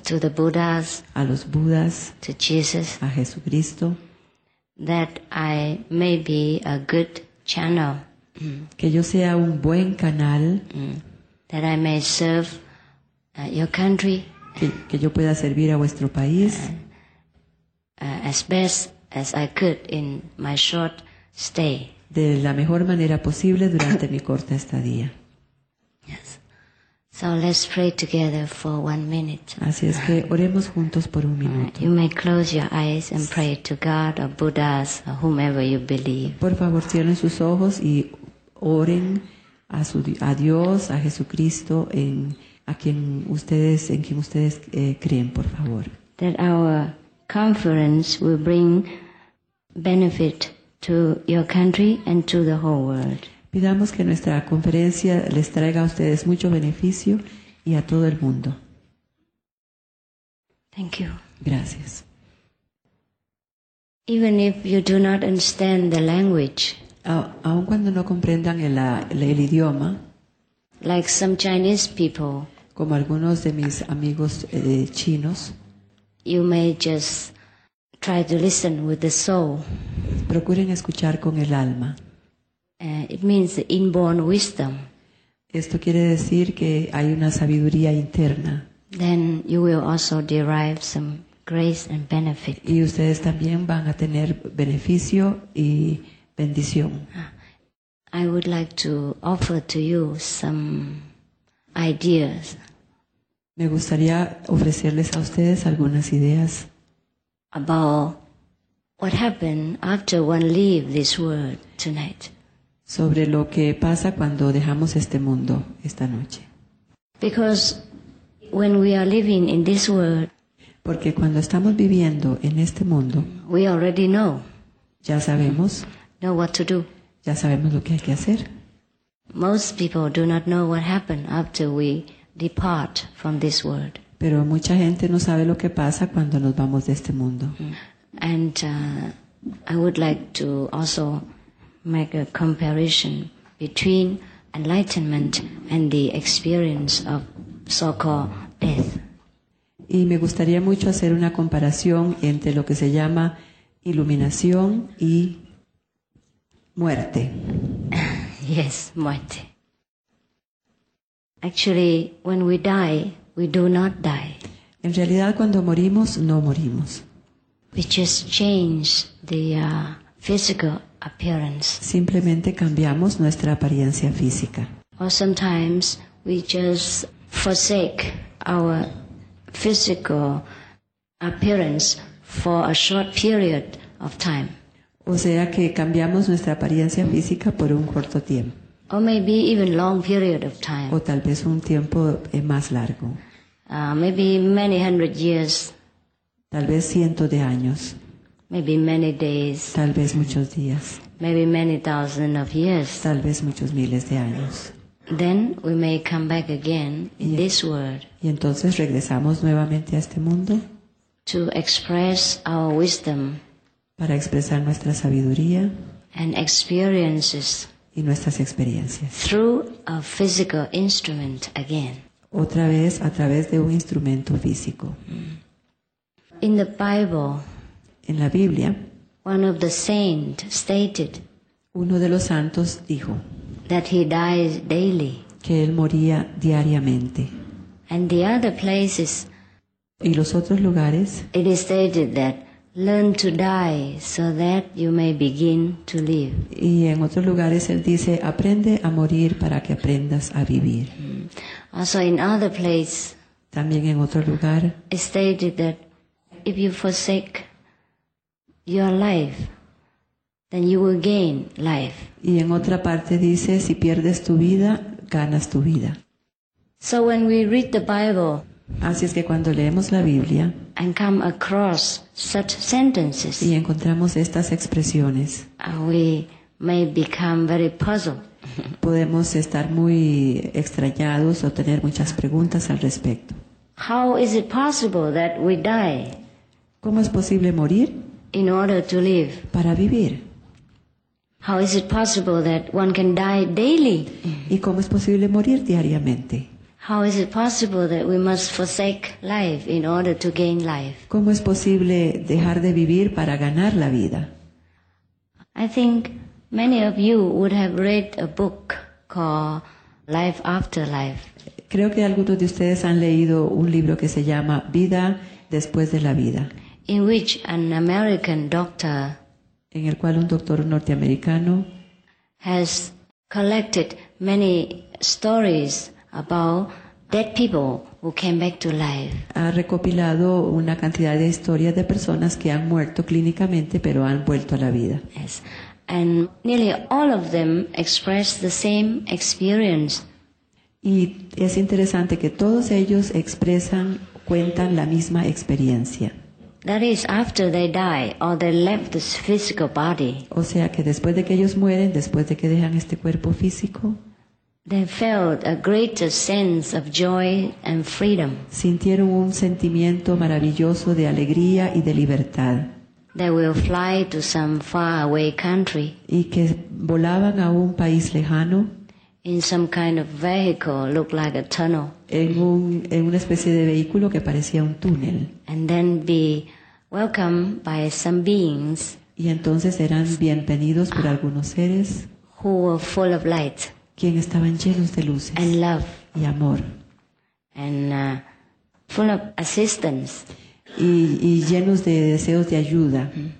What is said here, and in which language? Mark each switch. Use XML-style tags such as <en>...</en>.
<en>to the Buddhas,</en> <es>a los Budas,</es> <en>to Jesus,</en> <es>a Jesucristo,</es> <en>that I may be a good channel,</en> <es>que yo sea un buen canal,</es> <en>that I may serve your country,</en> <es>que yo pueda servir a vuestro país,</es> <en>as best as I could in my short stay,</en> <es>de la mejor manera posible durante mi corta estadía.</es> <en>So let's pray together for 1 minute.</en> <es>Así es que oremos juntos por un minuto.</es> <en>You may close your eyes and pray to God or Buddhas or whomever you believe.</en> <es>Por favor, cierren sus ojos y oren a Dios, a Jesucristo, en quien ustedes creen, por favor.</es> <en>That our conference will bring benefit to your country and to the whole world.</en> <es>Pidamos que nuestra conferencia les traiga a ustedes mucho beneficio y a todo el mundo.</es> <en>Thank you.</en> <es>Gracias.</es> <en>Even if you do not understand the language,</en> <es>aun cuando no comprendan el idioma,</es> <en>like some Chinese people,</en> <es>como algunos de mis amigos chinos,</es> <en>you may just try to listen with the soul.</en> <es>Procuren escuchar con el alma.</es> <en>It means inborn wisdom.</en> <es>Esto quiere decir que hay una sabiduría interna.</es> <en>Then you will also derive some grace and benefit.</en> <es>Y ustedes también van a tener beneficio y bendición.</es> <en>I would like to offer to you some ideas.</en> <es>Me gustaría ofrecerles a ustedes algunas ideas.</es> <en>About what happened after one leaves this world tonight.</en> <es>Sobre lo que pasa cuando dejamos este mundo esta noche.</es> <en>Because when we are living in this world,</en> <es>porque cuando estamos viviendo en este mundo,</es> <en>we already know.</en> <es>Ya sabemos.</es> <en>Know what to do.</en> <es>Ya sabemos lo que hay que hacer.</es> <en>Most people do not know what happened after we depart from this world.</en> <es>Pero mucha gente no sabe lo que pasa cuando nos vamos de este mundo.</es> <en>And I would like to also make a comparison between enlightenment and the experience of so-called death.</en> <es>Y me gustaría mucho hacer una comparación entre lo que se llama iluminación y muerte.</es> <en>Yes, muerte. Actually, when we die, we do not die.</en> <es>En realidad, cuando morimos, no morimos.</es> <en>We just change the physical appearance.</en> <es>Simplemente cambiamos nuestra apariencia física.</es> <en>Or sometimes we just forsake our physical appearance for a short period of time.</en> <es>O sea que cambiamos nuestra apariencia física por un corto tiempo.</es> <en>Or maybe even long period of time.</en> <es>O tal vez un tiempo más largo.</es> <en>Maybe many hundred years.</en> <es>Tal vez cientos de años.</es> <en>Maybe many days.</en> <es>Tal vez muchos días.</es> <en>Maybe many thousands of years.</en> <es>Tal vez muchos miles de años.</es> <en>Then we may come back again in this world.</en> <es>Y entonces regresamos nuevamente a este mundo.</es> <en>To express our wisdom.</en> <es>Para expresar nuestra sabiduría.</es> <en>And experiences.</en> <es>Y nuestras experiencias.</es> <en>Through a physical instrument again.</en> <es>Otra vez a través de un instrumento físico.</es> <en>In the Bible.</en> <es>En la Biblia.</es> <en>One of the saints stated.</en> <es>Uno de los santos dijo.</es> <en>That he dies daily.</en> <es>Que él moría diariamente.</es> <en>And the other places.</en> <es>Y los otros lugares.</es> <en>It is stated that. Learn to die so that you may begin to live.</en> <es>Y en otros lugares él dice, aprende a morir para que aprendas a vivir.</es> <en>Also in other place.</en> <es>También en otro lugar.</es> <en>It stated that if you forsake your life, then you will gain life.</en> <es>Y en otra parte dice, si pierdes tu vida, ganas tu vida.</es> <en>So when we read the Bible.</en> <es>Así es que cuando leemos la Biblia.</es> <en>And come across such sentences.</en> <es>Y encontramos estas expresiones.</es> <en>We may become very puzzled.</en> <es>Podemos estar muy extrañados o tener muchas preguntas al respecto.</es> <en>How is it possible that we die?</en> <es>¿Cómo es posible morir?</es> <en>In order to live.</en> <es>Para vivir.</es> <en>How is it possible that one can die daily?</en> <es>¿Y cómo es posible morir diariamente?</es> <en>How is it possible that we must forsake life in order to gain life?</en> <es>¿Cómo es posible dejar de vivir para ganar la vida?</es> <en>I think many of you would have read a book called Life After Life.</en> <es>Creo que algunos de ustedes han leído un libro que se llama Vida después de la vida.</es> <en>In which an American doctor,</en> <es>en el cual un doctor norteamericano,</es> <en>has collected many stories about dead people who came back to life.</en> <es>Ha recopilado una cantidad de historias de personas que han muerto clínicamente pero han vuelto a la vida.</es> <en>Yes. And nearly all of them express the same experience.</en> <es>Y es interesante que todos ellos expresan, cuentan la misma experiencia.</es> <en>That is after they die or they left this physical body.</en> <es>O sea que después de que ellos mueren, después de que dejan este cuerpo físico,</es> <en>they felt a greater sense of joy and freedom.</en> <es>Sintieron un sentimiento maravilloso de alegría y de libertad.</es> <en>They will fly to some faraway country.</en> <es>Y que volaban a un país lejano.</es> <en>In some kind of vehicle, look like a tunnel.</en> <es>En una especie de vehículo que parecía un túnel.</es> <en>And then be welcomed by some beings.</en> <es>Y entonces eran bienvenidos por algunos seres.</es> <en>Who were full of light.</en> <es>Quien estaban llenos de luces</es> <en>and love,</en> <es>y amor</es> <en>and, full of assistance.</en> <es>Y llenos de deseos de ayuda.</es>